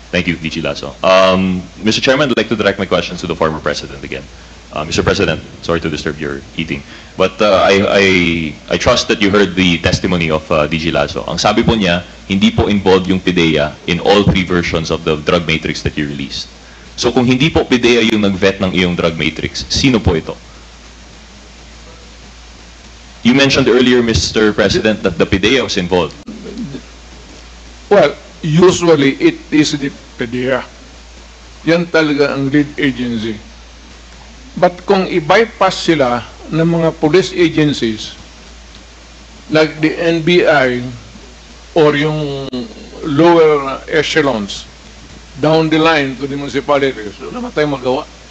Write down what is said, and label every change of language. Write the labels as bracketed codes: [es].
[en] Thank you, DG Lazo. Mr. Chairman, I'd like to direct my questions to the former President again. Mr. President, sorry to disturb your eating. But I trust that you heard the testimony of DG Lazo. [tl] Ang sabi po niya, hindi po [en] involved yung PDEO in all three versions of the drug matrix that you released. [tl] So kung hindi po PDEO yung nag-vet ng iyong drug matrix, sino po ito? [en] You mentioned earlier, Mr. President, that the PDEA was involved. Well, usually it is the PDEA. [tl] Yan talaga ang [en] lead agency. But [tl] kung i-bypass sila ng mga [en] police agencies, like the NBI or yung lower echelons, down the line to the municipalities, [tl] wala ba tayong magawa?